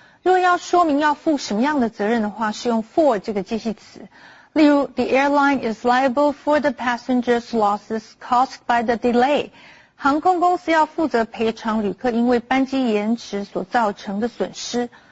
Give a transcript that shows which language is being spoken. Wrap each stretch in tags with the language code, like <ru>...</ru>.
<zh>如果要说明要负什么样的责任的话，是用 for 这个介系词。例如</zh> <en>the airline is liable for the passengers' losses caused by the delay.</en> <zh>航空公司要负责赔偿旅客因为班机延迟所造成的损失。</zh>